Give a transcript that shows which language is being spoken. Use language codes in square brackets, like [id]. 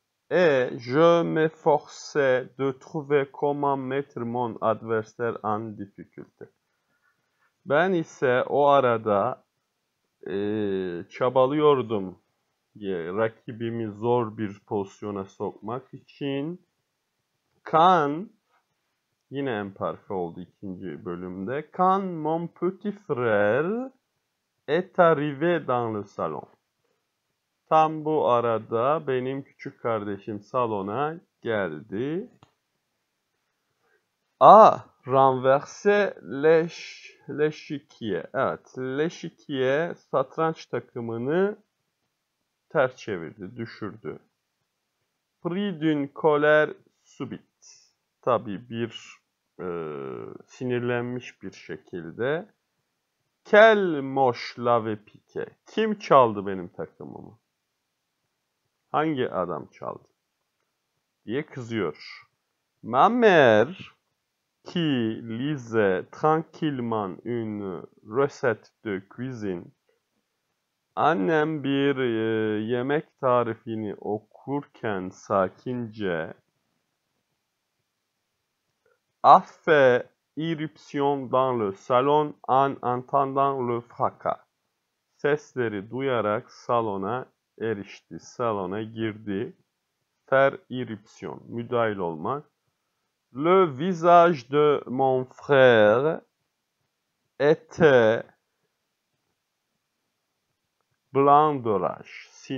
[fr] Et je me forçais de trouver comment mettre mon adversaire en difficulté. [tr] Ben ise o arada çabalıyordum rakibimi zor bir pozisyona sokmak için. [fr] Quand, [tr] yine en parfait oldu ikinci bölümde. [fr] Quand mon petit frère est arrivé dans le salon. [tr] Tam bu arada benim küçük kardeşim salona geldi. [fr] A renverse l'échiquier. [tr] Evet, [fr] l'échiquier [tr] satranç takımını ters çevirdi, düşürdü. [fr] Pris d'une colère subite. [tr] Tabii bir sinirlenmiş bir şekilde. [fr] Quel moche l'avait piqué? [tr] Kim çaldı benim takımımı? Hangi adam çaldı diye kızıyor. [fr] Ma mère qui lisait tranquillement une recette de cuisine. [tr] Annem bir yemek tarifini okurken sakince. [fr] A fait irruption dans le salon en entendant le fracas. [tr] Sesleri duyarak salona erişti, salona girdi. [fr] Faire irruption, [tr] müdahil olmak. [fr] Le visage de mon frère était blanc de rage.